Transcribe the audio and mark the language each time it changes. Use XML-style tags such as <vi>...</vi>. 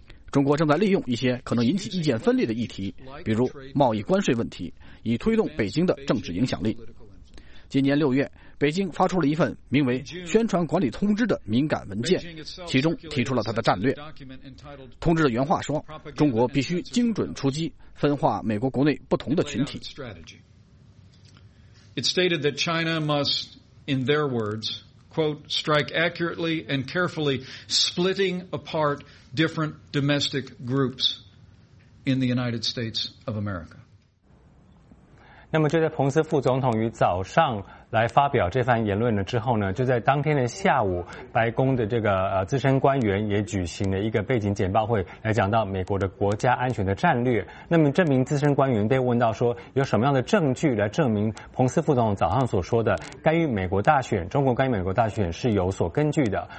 <zh>中国正在利用一些可能引起意见分裂的议题，比如贸易关税问题，以推动北京的政治影响力。今年6月，北京发出了一份名为《宣传管理通知》的敏感文件，其中提出了它的战略。通知的原话说，中国必须精准出击，分化美国国内不同的群体。</zh> <en>It stated that China must, in their words, quote, strike accurately and carefully, splitting apart different domestic groups in the United States of America.</en> <zh>那么就在彭斯副总统于早上来发表这番言论了之后呢，就在当天的下午，白宫的这个资深官员也举行了一个背景简报会，来讲到美国的国家安全的战略。那么这名资深官员被问到说，有什么样的证据来证明彭斯副总统早上所说的干预美国大选，中国干预美国大选是有所根据的？</zh>